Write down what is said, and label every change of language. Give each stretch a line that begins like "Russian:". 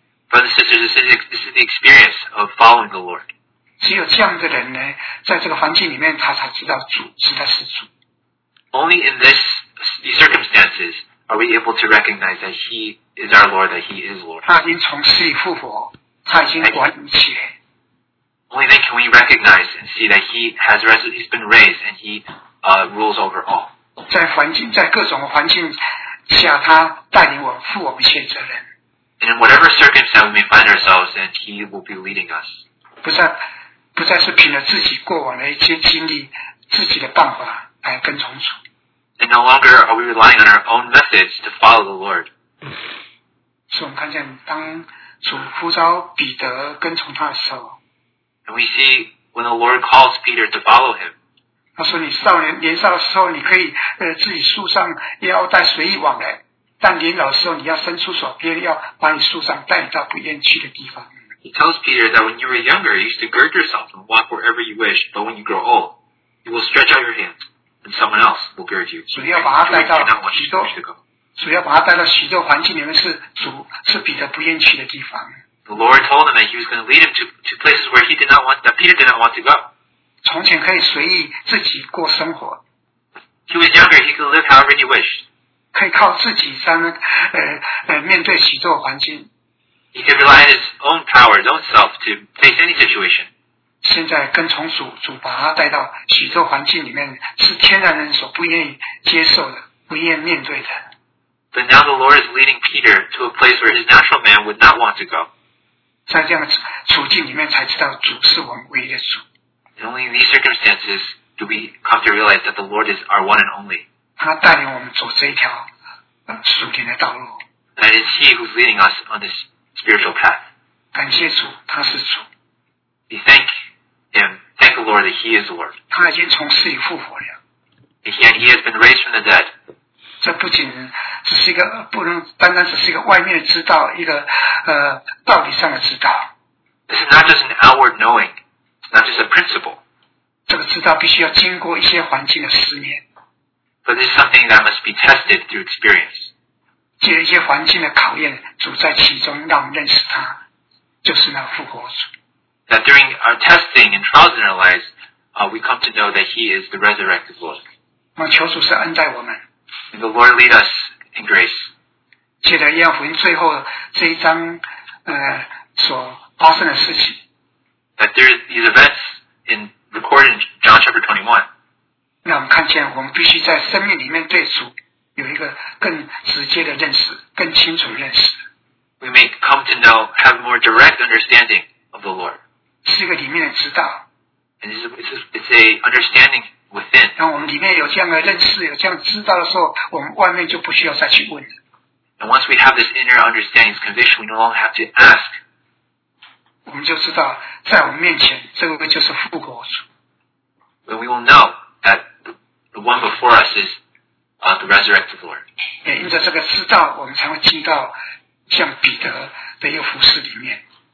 English: Brothers and sisters, this is the experience of following the Lord.
Chinese: 只有这样的人呢，在这个环境里面，他才知道主实在是主。
English: Only in these circumstances are we able to recognize that He is our Lord, that He is Lord.
Chinese: 他已经从死里复活，他已经管理一切。
English: Only then can we recognize and see that He has been raised and He rules over all.
Chinese: 在环境，在各种环境下，他带领我们，负我们一切责任。
English: And in whatever circumstance we find ourselves in, He will be leading us.
Chinese: 不再是凭着自己过往的一些经历、自己的办法来跟从主。
English: And no longer are we relying on our own methods to follow the Lord.
Chinese: 所以我们看见，当主呼召彼得跟从他的时候。
English: And we see when the Lord calls Peter to follow him.
Chinese: 他说你少年年少的时候你可以自己束上腰带随意往来，但年老的时候你要伸出手，别人要把你束上带你到不愿去的地方。
English: He tells Peter that when you were younger, you used to gird yourself and walk wherever you wish, but when you grow old, you will stretch out your hand, and someone else will gird you.
Chinese: 所以要把他带到许多，所以要把他带到许多环境里面是主是彼得不愿去的地方。
English: The Lord told him that he was going to lead him to places where he did not want, that Peter did not want to go.
Chinese: 从前可以随意自己过生活。
English: He was younger, he could live however he wished.
Chinese: 可以靠自己才能面对许多环境。
English: He could rely on his own power, his own self, to face any situation.
Chinese: 现在跟从主，主把他带到许多环境里面，是天然人所不愿意接受的，不愿意面对的。
English: But now the Lord is leading Peter to a place where his natural man would not want to go.
Chinese: 在这样的处境里面，才知道主是我们唯一的主。
English: And only in these circumstances do we come to realize that the Lord is our one and only.
Chinese: 他带领我们走这一条属灵的道路。
English: And it's He who's leading us on this. Spiritual path.
Chinese: 感谢主，他是主。
English: We thank Him. Thank the Lord that He is the Lord.
Chinese: 他已经从死里复活了。
English: And He has been raised from the dead.
Chinese: 这不仅只是一个不能单单只是一个外面的知道，一个道理上的知道。
English: This is not just an outward knowing. It's not just a principle.
Chinese: 这个知道必须要经过一些环境的试炼。
English: But this is something that must be tested through experience.
Chinese: 借一些环境的考验，主在其中让我们认识他，就是那复活主。
English: That during our testing and trials in our lives, we come to know that He is the resurrected Lord.
Chinese: 那求主是恩待我们。
English: And the Lord lead us in grace.
Chinese: 借着约翰福音最后这一章，所发生的事情。
English: That there are these events in recorded in John chapter 21.
Chinese: 让我们看见，我们必须在生命里面对主。有一个更直接的认识，更清楚的认识。
English: We may come to know, have more direct understanding of the Lord.
Chinese: 是一个里面的知道。
English: And it's a understanding within.
Chinese: 当我们里面有这样的认识，有这样知道的时候，我们外面就不需要再去问了。
English: And once we have this inner understanding, this conviction, we no longer have to ask.
Chinese: 我们就知道，在我们面前，这个就是复活主。
English: When we will know that the one before us is. The resurrected Lord.
Chinese: 因着这个知道，我们才会进到像彼得的一个服事里面。